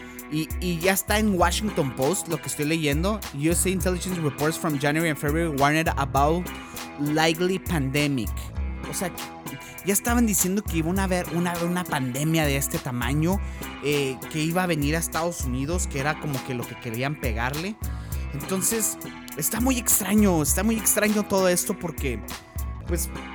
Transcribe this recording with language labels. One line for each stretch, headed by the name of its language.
Spanish: Y ya está en Washington Post, lo que estoy leyendo.
English: USA Intelligence Reports from January and February warned about likely pandemic.
Spanish: O sea, ya estaban diciendo que iba a haber una pandemia de este tamaño, que iba a venir a Estados Unidos, que era como que lo que querían pegarle. Entonces, está muy extraño todo esto, porque pues...